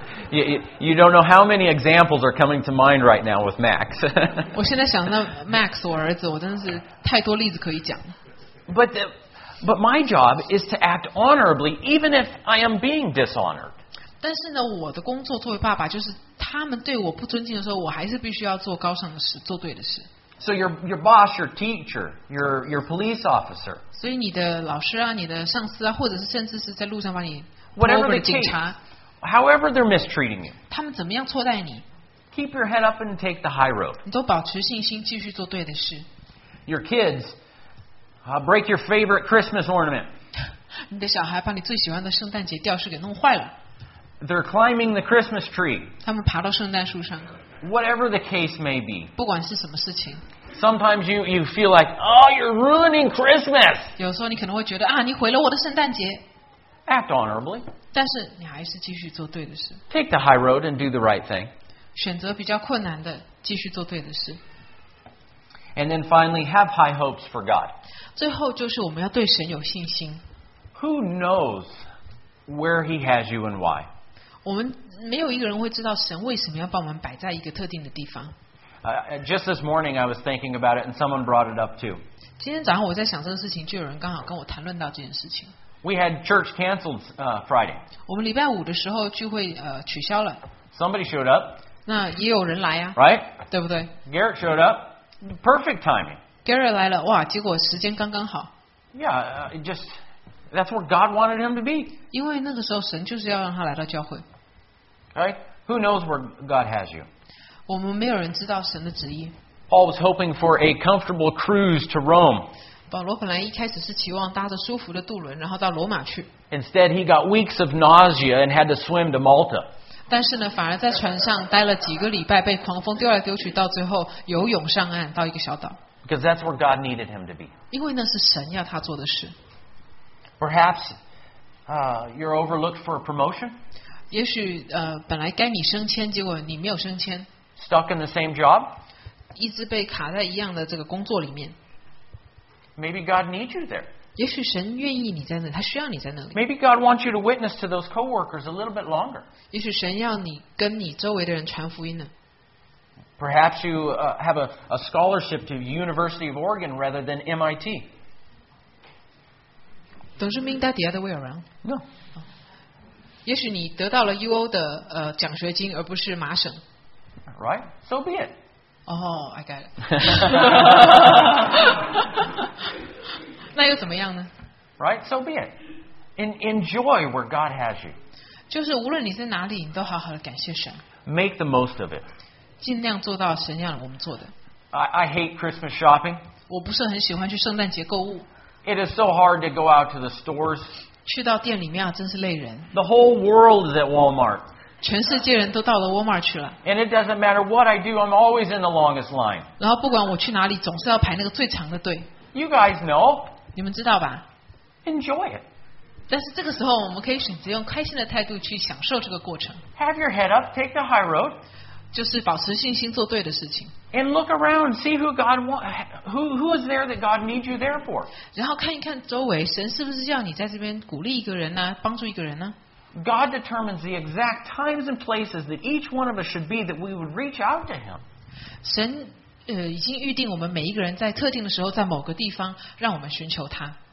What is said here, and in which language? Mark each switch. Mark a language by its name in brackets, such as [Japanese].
[English] You don't know how many examples are coming to mind right now with Max. [Chinese] 我现在想到 Max, 我儿子，我真的是太多例子可以讲。 [English] But my job is to act honorably, even if I am being dishonored. [Chinese] 但是呢，我的工作作为爸爸，就是他们对我不尊敬的时候，我还是必须要做高尚的事，做对的事。 [English] So your boss, your teacher, your police officer. [Chinese] 所以你的老师啊，你的上司啊，或者是甚至是在路上把你 [English] ，whatever [Chinese] the警察 [English] ，however they're mistreating you. [Chinese] 他们怎么样错待你 [English] ？Keep your head up and take the high road. [Chinese] 你都保持信心，继续做对的事。 [English] Your kids, break your favorite Christmas ornament. [Chinese] 你的小孩把你最喜欢的圣诞节吊饰给弄坏了。 [English] They're climbing the Christmas tree. [Chinese] 他们爬到圣诞树上。 [English] Whatever the case may be. [Chinese] 不管是什么事情。 [English] Sometimes you feel like, oh, you're ruining Christmas. [Chinese] 有时候你可能会觉得啊，你毁了我的圣诞节。 [English] Act honorably. [Chinese] 但是你还是继续做对的事。 [English] Take the high road and do the right thing. [Chinese] 选择比较困难的，继续做对的事。 [English] And then finally, have high hopes for God. [Chinese] 最后就是我们要对神有信心。 [English] Who knows where He has you and why? [Chinese] 我们没有一个人会知道神为什么要把我们摆在一个特定的地方。 [English] Just this morning, I was thinking about it, and someone brought it up too. [Chinese] 今天早上我在想这个事情，就有人刚好跟我谈论到这件事情。 [English] We had church canceled Friday. [Chinese] 我们礼拜五的时候聚会取消了。 [English] Somebody showed up. [Chinese] 那也有人来啊。 [English] Right? [Chinese] 对不对 [English] ？Garrett showed up. Perfect timing. [Chinese] Garrett 来了，哇！结果时间刚刚好。 [English] Yeah, just that's where God wanted him to be. [Chinese] 因为那个时候神就是要让他来到教会。 [English] Right? Who knows where God has you? [Chinese] 我们没有人知道神的旨意。 [English] Paul was hoping for a comfortable cruise to Rome. [Chinese] 保罗本来一开始是期望搭着舒服的渡轮，然后到罗马去。 [English] Instead, he got weeks of nausea and had to swim to Malta. [Chinese] 但是呢，反而在船上待了几个礼拜，被狂风丢来丢去，到最后游泳上岸到一个小岛。 [English] Because that's where God needed him to be. [Chinese] 因为那是神要他做的事。 [English] Perhaps, you're overlooked for a promotion. [Chinese] 也许本来该你升迁，结果你没有升迁。 [English] Stuck in the same job. [Chinese] 一直被卡在一样的这个工作里面。 [English] Maybe God needs you there. [Chinese] 也许神愿意你在那，他需要你在那里。 [English] Maybe God wants you to witness to those coworkers a little bit longer. [Chinese] 也许神要你跟你周围的人传福音呢。 [English] Perhaps you have a scholarship to University of Oregon rather than MIT. Does it mean that the other way around? No. [Chinese] 也许你得到了 UO 的奖学金，而不是麻省。 [English] Right, so be it. Oh, I got it. [Chinese] 那又怎么样呢? [English] Right, so be it. Enjoy where God has you. [Chinese] 就是无论你在哪里，你都好好的感谢神。 [English] Make the most of it. [Chinese] 尽量做到神要我们做的。 [English] I hate Christmas shopping. [Chinese] 我不是很喜欢去圣诞节购物。 [English] It is so hard to go out to the stores. [Chinese] 去到店里面啊，真是累人。 [English] The whole world is at Walmart. [Chinese] 全世界人都到了 Walmart 去了。 [English] And it doesn't matter what I do, I'm always in the longest line. [Chinese] 然后不管我去哪里，总是要排那个最长的队。 [English] You guys know. [Chinese] 你们知道吧？ [English] Enjoy it. [Chinese] 但是这个时候，我们可以选择用开心的态度去享受这个过程。 [English] Have your head up, take the high road. [Chinese] 就是保持信心做对的事情。 [English] And look around, see who God who is there that God needs you there for. [Chinese] 然后看一看周围，神是不是要你在这边鼓励一个人呢、啊？帮助一个人呢、啊、 [English] ？God determines the exact times and places that each one of us should be that we would reach out to Him. [Chinese] 神已经预定我们每一个人在特定的时候，在某个地方，让我们寻求他。